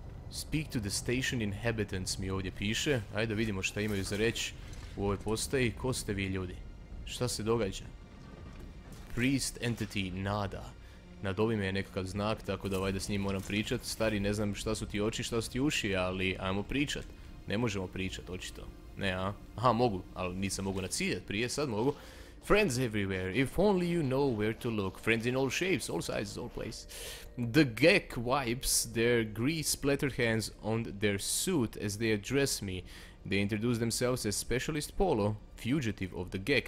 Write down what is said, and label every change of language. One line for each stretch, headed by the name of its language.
English: Speak to the station inhabitants
Croatian: mi ovdje piše. Ajde da vidimo šta imaju za reći u ovoj postaji. Ko ste vi ljudi? Šta se događa?
English: Priest entity
Croatian: Nada. Nad ovim je nekakav znak, tako da valjda s njim moram pričat. Stari, ne znam šta su ti oči, šta su ti uši, ali ajmo pričat. Ne možemo pričat, očito. Ne, a? Aha, mogu, ali nisam mogu naciljat prije, sad mogu.
English: Friends everywhere, if only you know where to look. Friends in all shapes, all sizes, all place. The geck wipes their grease-splattered hands on their suit as they address me. They introduce themselves as specialist Polo, fugitive of the geck.